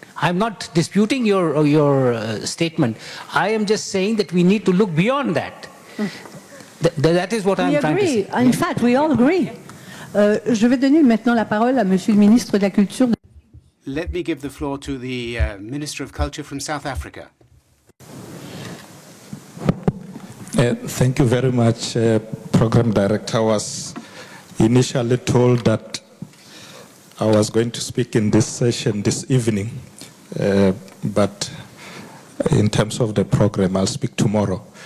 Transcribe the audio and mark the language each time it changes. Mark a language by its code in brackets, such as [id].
[en] I'm not disputing your statement. I am just saying that we need to look beyond that. That is what I'm trying to say. In fact, we all agree. [fr] Je vais donner maintenant la parole à Monsieur le ministre de la Culture. [en] Let me give the floor to the Minister of Culture from South Africa. Thank you very much, Program Director. I was initially told that I was going to speak in this session this evening, but in terms of the program, I'll speak tomorrow.